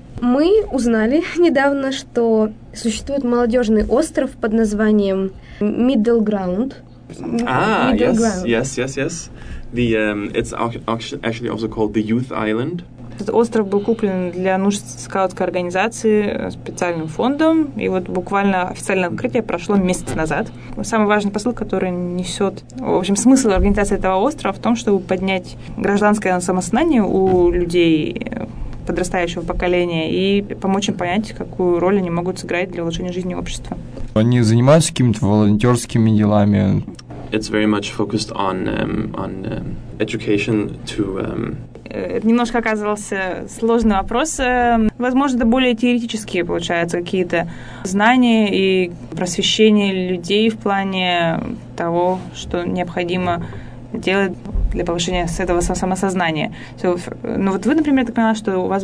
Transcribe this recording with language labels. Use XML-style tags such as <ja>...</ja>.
<ru>Мы узнали недавно, что существует молодежный остров под названием Middle Ground.</ru> <en>Yes. It's actually also called the Youth Island.</en> <ru>Этот остров был куплен для нужд скаутской организации специальным фондом, и вот буквально официальное открытие прошло месяц назад. Самый важный посыл, который несет, в общем, смысл организации этого острова в том, чтобы поднять гражданское самосознание у людей подрастающего поколения и помочь им понять, какую роль они могут сыграть для улучшения жизни общества. Они занимаются какими-то волонтерскими делами?</ru> <en>It's very much focused on education to...</en> <ru>Немножко оказывался сложный вопрос. Возможно, это более теоретические, получается, какие-то знания и просвещение людей в плане того, что необходимо делать для повышения этого самосознания. Ну вот вы, например, так поняла, что у вас...</ru>